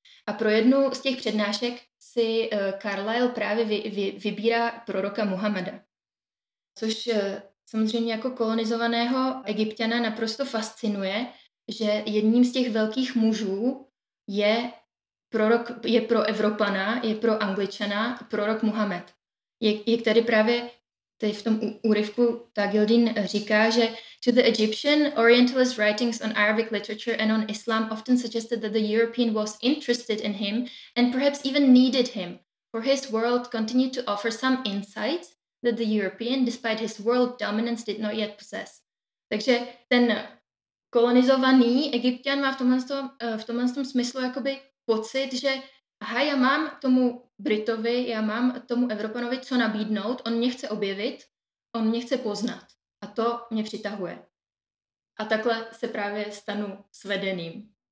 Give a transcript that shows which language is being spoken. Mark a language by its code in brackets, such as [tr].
[cs] A pro jednu z těch přednášek si Carlyle právě vybírá proroka Muhammada, což samozřejmě jako kolonizovaného Egypťana naprosto fascinuje, že jedním z těch velkých mužů je prorok, je pro Evropana, je pro Angličana prorok Muhammad. Jak tady právě tady v tom úryvku ta Gildin říká, že [en] to the Egyptian, Orientalist writings on Arabic literature and on Islam often suggested that the European was interested in him and perhaps even needed him, for his world continued to offer some insight that the European, despite his world dominance, did not yet possess. [cs] Takže ten kolonizovaný Egypťan má v tomhle smyslu jakoby pocit, že aha, já mám tomu Britovi, já mám tomu Evropanovi co nabídnout, on mě chce objevit, on mě chce poznat. A to mě přitahuje. A takhle se právě stanu svedeným.